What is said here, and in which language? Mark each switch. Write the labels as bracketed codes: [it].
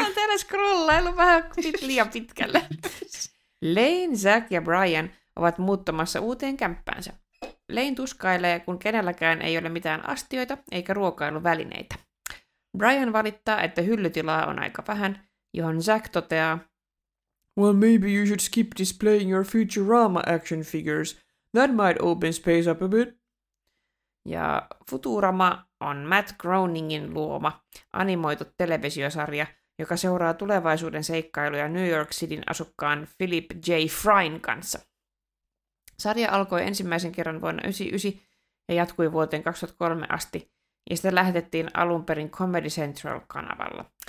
[fi] Mä olen täällä scrollailu vähän liian pitkälle. Lane, Zack ja Brian ovat muuttamassa uuteen kämppäänsä. Lane tuskailee, kun kenelläkään ei ole mitään astioita eikä ruokailuvälineitä. Brian valittaa, että hyllytilaa on aika vähän, johon Zack toteaa: [en] Well, maybe you should skip displaying your Futurama action figures. That might open space up a bit. [fi] Ja Futurama on Matt Groeningin luoma, animoitu televisiosarja, joka seuraa tulevaisuuden seikkailuja New York Cityn asukkaan Philip J. Fryn kanssa. Sarja alkoi ensimmäisen kerran vuonna 1999 ja jatkui vuoteen 2003 asti, ja sitä lähetettiin alun perin Comedy Central-kanavalla.